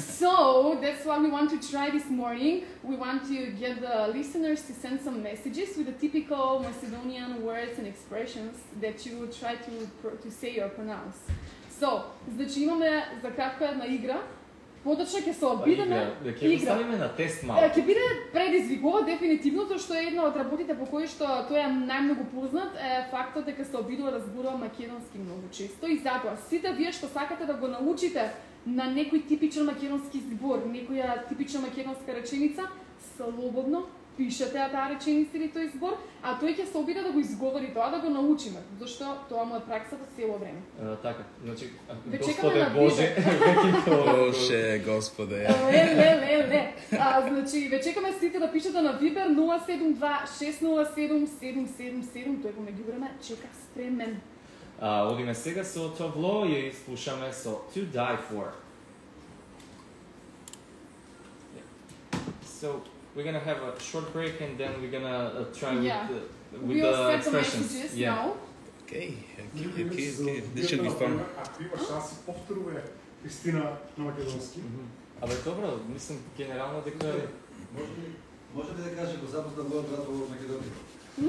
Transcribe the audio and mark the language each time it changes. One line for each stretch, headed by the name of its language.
English: So that's what we want to try this morning. We want to get the listeners to send some messages with the typical Macedonian words and expressions that you will try to say or pronounce.
Macedonian: So, значи имаме за кратко една игра. Подоќе ќе се обидеме игра. Ќе ставиме на тест малку. Ќе биде предизвикува дефинитивно, тоа што е една од работите по кои што тој е најмногу познат е фактот дека се обидува да зборува македонски многу често. И затоа сите вие што сакате да го научите на некој типичен македонски збор, некоја типична македонска реченица, слободно пишете ја таа реченица или тој збор, а тој ќе се обиде да го изговори тоа, да го научиме, зашто тоа му е праксата цело време. Така, значи, Господе Боже, Боже, Господе. Ле. Значи, ве чекаме сите да пишете на Viber 072-607-777, тој во меѓувреме чека спремен. Одиме сега со Товло и слушаме со To Die For.
English: So, we're gonna have a short break and then we're gonna try with the expressions. Okay. Okay. This should be fun. Mm-hmm.